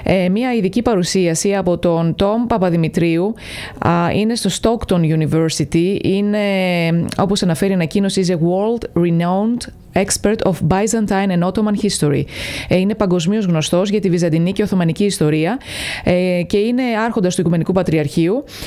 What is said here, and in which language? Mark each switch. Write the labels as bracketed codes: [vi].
[el] Μία ειδική παρουσίαση από τον Τόμ Παπαδημητρίου. Είναι στο Stockton University. Είναι, όπως αναφέρει η ανακοίνωση, [en] is a world renowned expert of Byzantine and Ottoman history. [el] Είναι παγκοσμίως γνωστός για τη Βυζαντινή και Οθωμανική ιστορία και είναι άρχοντας του Οικουμενικού Πατριαρχείου.